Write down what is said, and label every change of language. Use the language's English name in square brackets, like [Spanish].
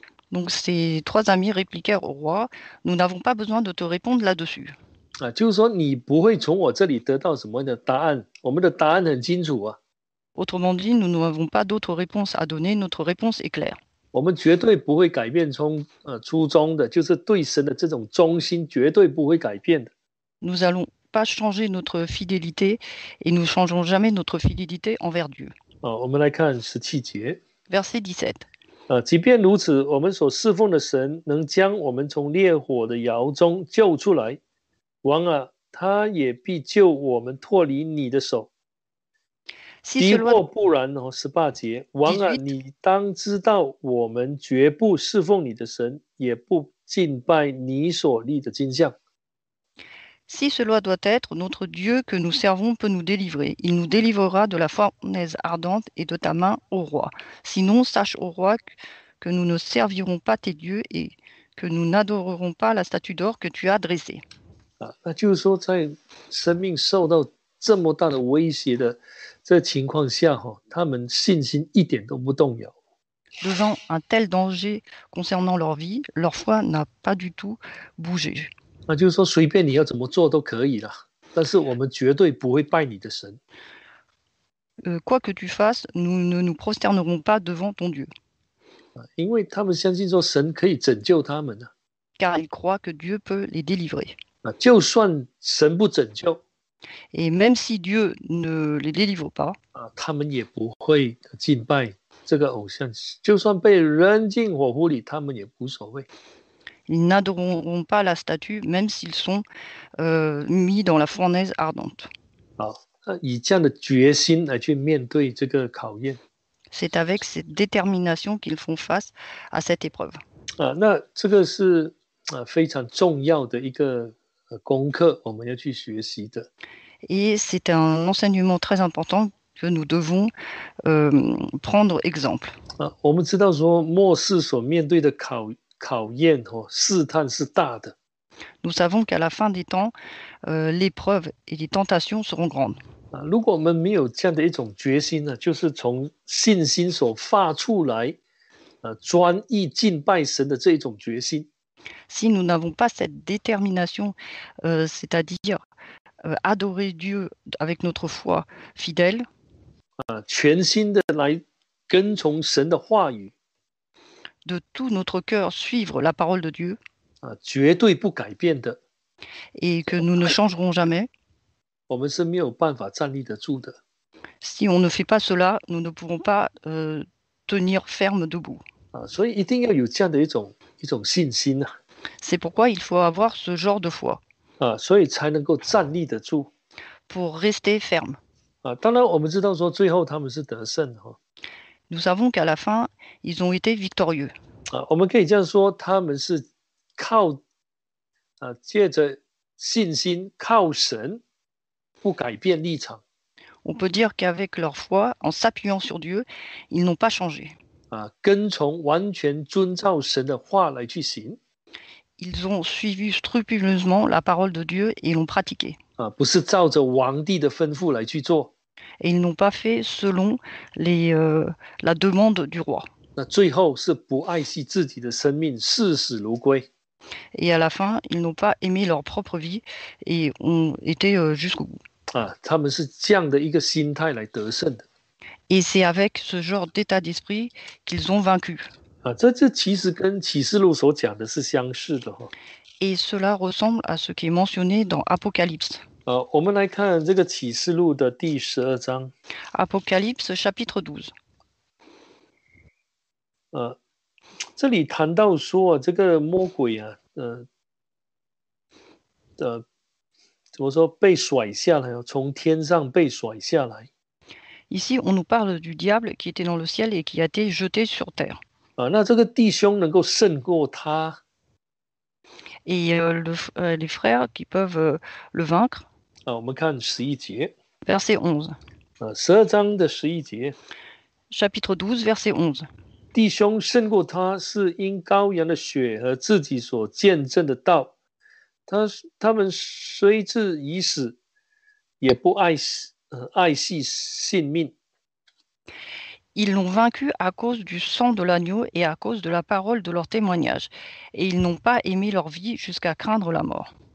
[French] Donc ces trois amis répliquèrent au roi, nous n'avons pas besoin de te répondre là-dessus. [Chinese] 啊，就是说你不会从我这里得到什么的答案，我们的答案很清楚啊。 [French] Autrement dit, nous n'avons pas d'autre réponse à donner, notre réponse est claire. [Chinese] 我们绝对不会改变从初衷的，就是对神的这种忠心，绝对不会改变的。 [French] Nous allons pas changer notre fidélité et nous changeons jamais notre fidélité envers Dieu. [Chinese] 哦，我们来看十七节。 [French] Verset 17。 [Chinese] 即便如此，我们所侍奉的神能将我们从烈火的窑中救出来，王啊，他也必救我们脱离你的手。 [French] Si、 [Chinese] 敌或不然哦，十八节，王啊， 18, 你当知道，我们绝不侍奉你的神，也不敬拜你所立的金像。 [French] Si cela doit être, notre Dieu que nous servons peut nous délivrer. Il nous délivrera de la fournaise ardente et de ta main, ô roi. Sinon, sache, ô roi, que nous ne servirons pas tes dieux et que nous n'adorerons pas la statue d'or que tu as dressée. [Chinese] 啊，那就是说，在生命受到这么大的威胁的这情况下，哈，他们信心一点都不动摇。 [French] Devant un tel danger concernant leur vie, leur foi n'a pas du tout bougé. [Chinese] 那就是说随便你要怎么做都可以了，但是我们绝对不会拜你的神。 [French] Quoi que tu fasses, nous ne nous prosternerons pas devant ton Dieu. [Chinese] 因为他们相信说神可以拯救他们。 [French] Car ils croient que Dieu peut les délivrer. [Chinese] 就算神不拯救。 [French] Et même si Dieu ne les délivre pas, [Chinese] 他们也不会敬拜这个偶像，就算被扔进火湖里，他们也无所谓。 [French] Ils n'adoreront pas la statue, même s'ils sont mis dans la fournaise ardente. [Chinese] 以这样的决心来去面对这个考验。 [French] C'est avec cette détermination qu'ils font face à cette épreuve. [Chinese] 那这个是非常重要的一个功课，我们要去学习的。 [French] Et c'est un enseignement très important que nous devons prendre exemple. [Chinese] 我们知道说末世所面对的考验和试探是大的。 [French] Nous savons qu'à la fin des temps, l'épreuve et les tentations seront grandes. [Chinese] 如果我们没有这样的一种决心呢，就是从信心所发出来，专一敬拜神的这一种决心。 [French] Si nous n'avons pas cette détermination, c'est-à-dire adorer Dieu avec notre foi fidèle, [Chinese] 全心的来跟从神的话语。 [French] De tout notre cœur suivre la parole de Dieu. [Chinese] 绝对不改变的。 [French] Et que nous ne changerons jamais. [Chinese] 我们是没有办法站立得住的。 [French] Si on ne fait pas cela, nous ne pourrons pas tenir ferme debout. [Chinese] 所以一定要有这样的一种信心啊。 [French] C'est pourquoi il faut avoir ce genre de foi. [Chinese] 所以才能够站立得住。 [French] Pour rester ferme. [Chinese] 当然我们知道说最后他们是得胜的。 [French] Nous savons qu'à la fin, ils ont été victorieux. [Chinese] 我们可以这样说，他们是靠借着信心靠神不改变立场。 [French] On peut dire qu'avec leur foi, en s'appuyant sur Dieu, ils n'ont pas changé. [Chinese] 跟从完全遵照神的话来去行。 [French] Ils ont suivi scrupuleusement la parole de Dieu et l'ont pratiqué. [Chinese] 不是照着王帝的吩咐来去做。 [French] Et ils n'ont pas fait selon la demande du roi. [Chinese] 那最后是不爱惜自己的生命，视死如归。 [French] Et à la fin, ils n'ont pas aimé leur propre vie et ont été jusqu'au bout. [Chinese] 他们是这样的一个心态来得胜的。 [French] Et c'est avec ce genre d'état d'esprit qu'ils ont vaincu. [Chinese] 这其实跟启示录所讲的是相似的哈。 [French] Et cela ressemble à ce qui est mentionné dans Apocalypse. [Chinese] 我们来看这个启示录的第十二章。 [French] Apocalypse chapitre 12。 [Chinese] 这里谈到说这个魔鬼怎么说被甩下来，从天上被甩下来。 [French] Ici, on nous parle du diable qui était dans le ciel et qui a été jeté sur terre. [Chinese] 那这个弟兄能够胜过他。 [French] Et les frères qui peuvent le vaincre. [Chinese] 我们看十一节。 [French] Verset 11。 [Chinese] 十二章的十一节。 [French] Chapitre 12, verset 11。 [Chinese] 弟兄胜过他是因羔羊的血和自己所见证的道。他们虽至已死也不爱惜性命。 [French] Ils l'ont vaincu à cause du sang de l'agneau et à cause de la parole de leur témoignage. Et ils n'ont pas aimé leur vie jusqu'à craindre la mort.